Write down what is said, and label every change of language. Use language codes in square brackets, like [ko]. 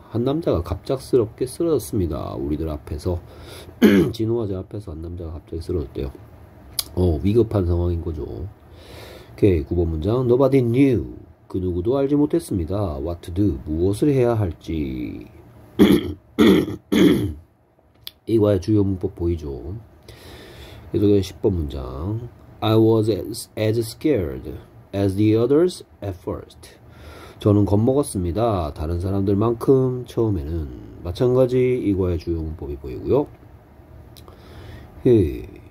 [ko] 한 남자가 갑작스럽게 쓰러졌습니다. 우리들 앞에서 진호와 제 앞에서 한 남자가 갑자기 쓰러졌대요. 위급한 상황인 거죠. 오케이, 9번 문장. [en] Nobody knew. [ko] 그 누구도 알지 못했습니다. [en] What to do. [ko] 무엇을 해야 할지. 이거야 주요 문법 보이죠? 계속해서 10번 문장. [en] I was as scared as the others at first. [ko] 저는 겁먹었습니다. 다른 사람들만큼 처음에는. 마찬가지 이거야 주요 문법이 보이고요. 오케이.